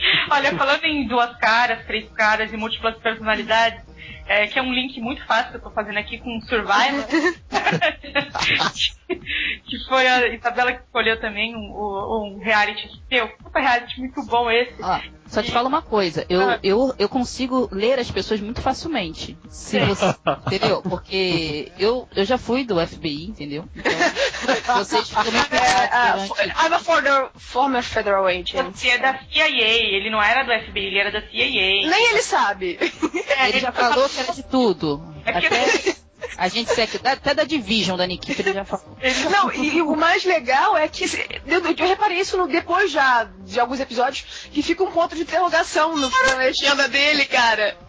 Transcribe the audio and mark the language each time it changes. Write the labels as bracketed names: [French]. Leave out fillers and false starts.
[Portuguese] Olha, falando em duas caras, três caras e múltiplas personalidades, que é um link muito fácil que eu tô fazendo aqui com Survivor, que foi a Isabela que escolheu também um reality seu. Puta, reality muito bom esse. Ah. Só te falo uma coisa, eu consigo ler as pessoas muito facilmente. Se você, entendeu? Porque eu já fui do FBI, entendeu? Então, vocês ficam muito [English] I'm a former federal agent. [Portuguese] Você é da CIA, ele não era do FBI, ele era da CIA. Nem ele sabe. Ele já falou que era de tudo. É porque... A gente segue até da Division, da Nikki, ele já falou. Não, e o mais legal é que eu reparei isso no, depois já de alguns episódios, que fica um ponto de interrogação no, na legenda dele, cara.